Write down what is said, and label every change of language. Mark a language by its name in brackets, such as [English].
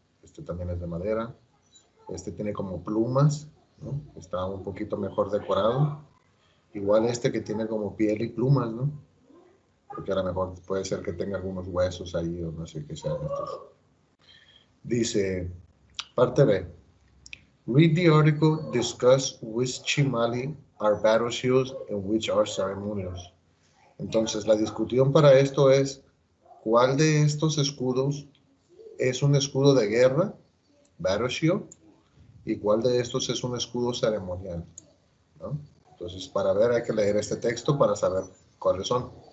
[Spanish] Este también es de madera. Este tiene como plumas, ¿no? Está un poquito mejor decorado. Igual este que tiene como piel y plumas, ¿no? Porque a lo mejor puede ser que tenga algunos huesos ahí o no sé qué sean estos. Dice, parte B. [English] Read the article, discuss which chimali are battle shields and which are ceremonials. [Spanish] Entonces, la discusión para esto es, ¿cuál de estos escudos es un escudo de guerra, [English] battle shield, [Spanish] y cuál de estos es un escudo ceremonial? ¿No? Entonces, para ver, hay que leer este texto para saber cuáles son.